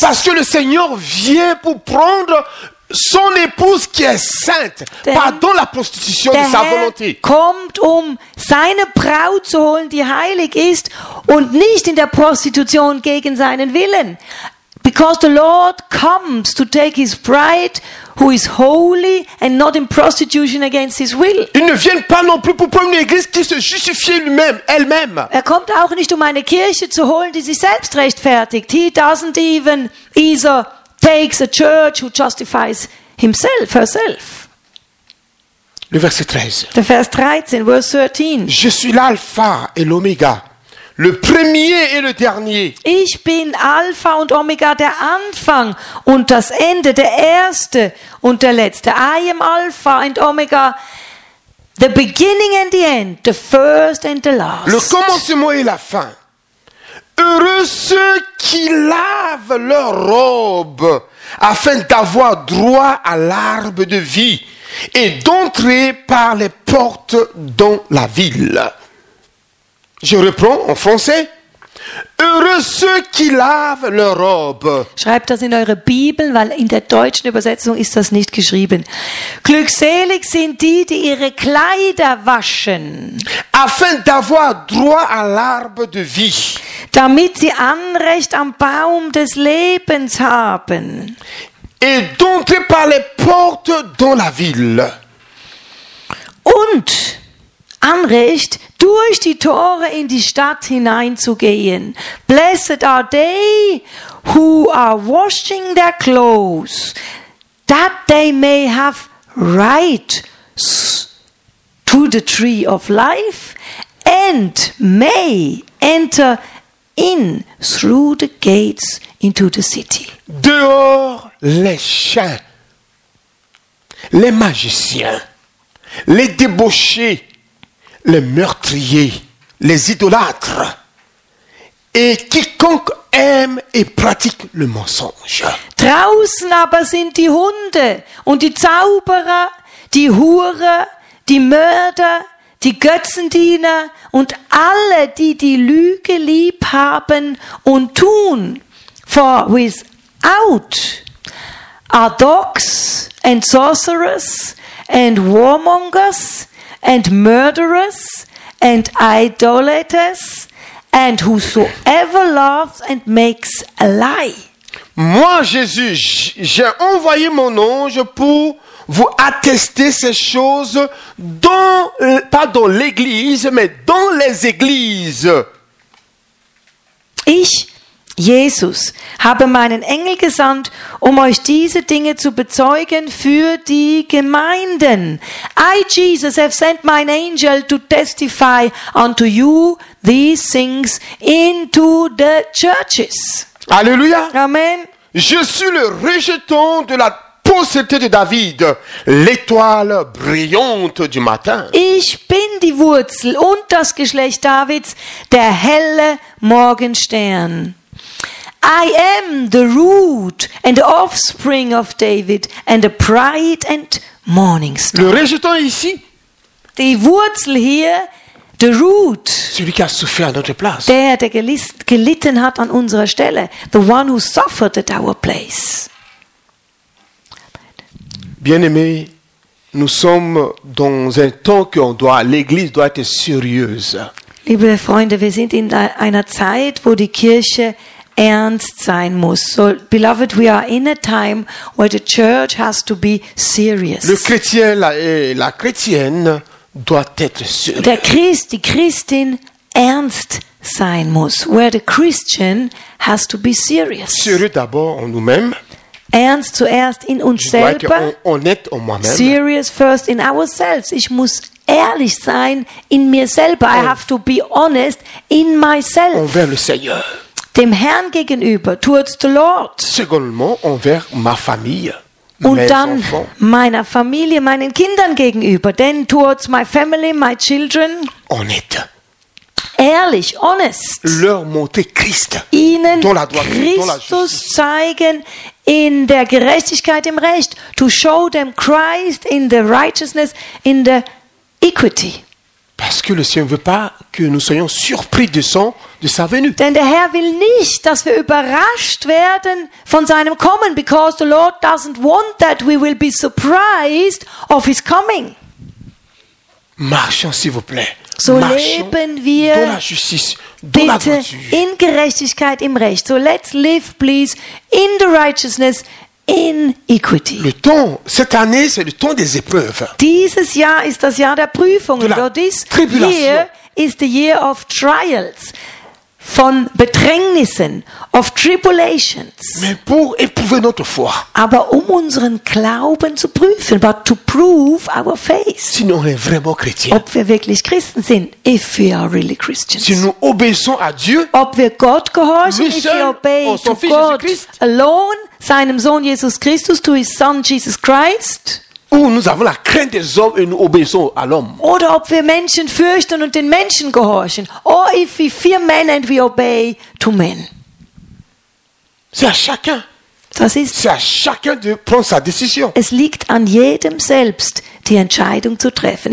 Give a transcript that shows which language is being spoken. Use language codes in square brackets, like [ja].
[fr] Parce que le Seigneur vient pour prendre son épouse qui est sainte, pardon la prostitution de sa volonté. [de] Der Herr kommt, um seine Braut zu holen, die heilig ist, und nicht in der Prostitution gegen seinen Willen. [en] Because the Lord comes to take his bride, who is holy, and not in prostitution against his will. [fr] Ils ne viennent pas non plus pour prendre une église qui se justifie elle-même. [de] Er kommt auch nicht, um eine Kirche zu holen, die sich selbst rechtfertigt. [en] He doesn't even either takes a church who justifies himself, herself. [fr] Le verset 13. [en] The verse 13, verse 13. [fr] Je suis l'alpha et l'oméga, le premier et le dernier. [de] Ich bin Alpha und Omega, der Anfang und das Ende, der Erste und der Letzte. [en] I am Alpha and Omega, the beginning and the end, the first and the last. [fr] Le commencement et la fin. Heureux ceux qui lavent leurs robes afin d'avoir droit à l'arbre de vie et d'entrer par les portes dans la ville. Je reprends en français. Heureux ceux qui lavent leurs robes. [de] Schreibt das in eure Bibel, weil in der deutschen Übersetzung ist das nicht geschrieben. Glückselig sind die, die ihre Kleider waschen. [fr] Afin d'avoir droit à l'arbre de vie. [de] Damit sie Anrecht am Baum des Lebens haben. [fr] Et d'entrer par les portes dans la ville. [de] Und Anrecht, durch die Tore in die Stadt hineinzugehen. [en] Blessed are they who are washing their clothes, that they may have right to the tree of life and may enter in through the gates into the city. [fr] Dehors les chiens, les magiciens, les débauchés, les meurtriers, les idolâtres et quiconque aime et pratique le mensonge. [de] Draußen aber sind die Hunde und die Zauberer, die Hure, die Mörder, die Götzendiener und alle, die die Lüge lieb haben und tun. [en] For without are dogs and sorcerers and warmongers and murderers and idolaters and whosoever loves and makes a lie. [fr] Moi, Jésus, j'ai envoyé mon ange pour vous attester ces choses dans, pas dans l'église, mais dans les églises. [de] Ich, Jesus, habe meinen Engel gesandt, um euch diese Dinge zu bezeugen für die Gemeinden. [en] I, Jesus, have sent my angel to testify unto you these things into the churches. Alléluia. Amen. [fr] Je suis le rejeton de la posséité de David, l'étoile brillante du matin. [de] Ich bin die Wurzel und das Geschlecht Davids, der helle Morgenstern. [en] I am the root and the offspring of David and the bright and morning star. [fr] Le rejeton ici. [de] Die Wurzel hier, [en] the root. [fr] Celui qui a souffert à notre place. [de] Der gelitten hat an unserer Stelle. [en] The one who suffered at our place. [fr] Bien-aimés, nous sommes dans un temps que l'Église doit être sérieuse. [de] Liebe Freunde, wir sind in einer Zeit, wo die Kirche ernst sein muss. [en] So, beloved, we are in a time where the church has to be serious. [fr] Le chrétien, la chrétienne doit être sûr. [de] Der Christ, die Christin ernst sein muss. [en] Where the Christian has to be serious. [fr] Sérieux d'abord en nous-mêmes. [de] Ernst zuerst in uns selber. [fr] Honnête en moi-même. [en] Serious first in ourselves. [de] Ich muss ehrlich sein in mir selber. [en] I have to be honest in myself. [fr] Envers le Seigneur. [de] Dem Herrn gegenüber. [en] Towards the Lord. [fr] Secondement, envers ma famille. [de] Und dann meiner Familie, meinen Kindern gegenüber. [en] Then towards my family, my children. [fr] Honnête. [de] Ehrlich, [en] honest. [fr] Leur montrer Christ. [de] Ihnen [fr] dans la droite, [de] Christus [fr] dans la [de] zeigen in der Gerechtigkeit im Recht. [en] To show them Christ in the righteousness, in the equity. [fr] Parce que le Seigneur ne veut pas que nous soyons surpris de son de sa venue. [de] Denn der Herr will nicht, dass wir überrascht werden von seinem Kommen, [en] because the Lord doesn't want that we will be surprised of his coming. [fr] Marchons, s'il vous plaît. [de] So leben wir bitte in Gerechtigkeit im Recht. [en] So let's live, please, in the righteousness, in equity. [fr] Le temps, cette année, c'est le temps des épreuves. [de] Dieses Jahr ist das Jahr der Prüfungen. [en] So this year is the year of trials, [de] von Bedrängnissen, [en] of tribulations. [fr] Mais pour éprouver notre foi. [de] Aber unseren Glauben zu prüfen, [en] but to prove our faith. [fr] Si nous sommes vraiment chrétiens. [de] Ob wir wirklich Christen sind, [en] if we are really Christians. [fr] Si nous obéissons à Dieu. [de] Ob wir Gott gehorchen, [en] if we obey to God alone, [de] seinem Sohn Jesus Christus, [en] to his Son Jesus Christ. [fr] Ou nous avons la crainte des hommes et nous obéissons à l'homme. [de] Oder ob wir Menschen fürchten und den Menschen gehorchen. [en] Or if we fear men and we obey to men. [fr] C'est à chacun. [de] Das ist, [fr] c'est à chacun de prendre sa décision. [de] Es liegt an jedem selbst, die Entscheidung zu treffen.